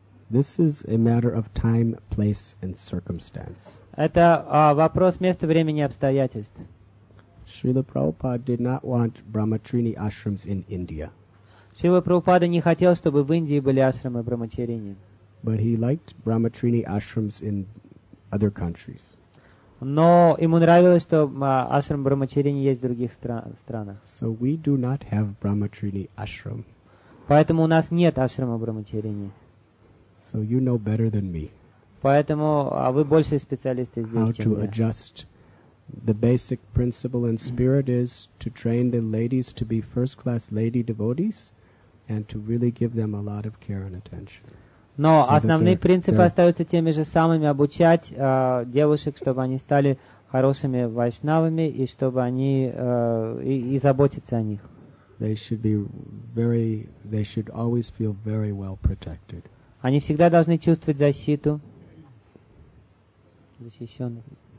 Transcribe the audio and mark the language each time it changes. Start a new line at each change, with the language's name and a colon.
English: This is a matter of time, place, and circumstance.
Russian: Это вопрос места, времени, обстоятельств.
English: Srila Prabhupada did not want Brahmacharini ashrams in India.
Russian: Srila Prabhupada не хотел, чтобы в Индии были ашрамы брахмачарини.
English: But he liked Brahmacharini ashrams in other countries.
Russian: Но ему нравилось, что ашрам брахмачарини есть в других странах.
English: So we do not have Brahmacharini ashram.
Russian: Поэтому у нас нет ашрама брахмачарини.
English: So you know better than me.
Russian: Поэтому вы больше специалисты здесь, чем я.
English: How to adjust? The basic principle and spirit is to train the ladies to be first-class lady devotees and to really give them a lot of care and attention.
Russian: Но so основные принципы остаются теми же самыми – обучать девушек, чтобы они стали хорошими вайшнавами и чтобы они и заботиться о них.
English: They should always feel very well protected.
Russian: Они всегда должны чувствовать защиту, защищенность.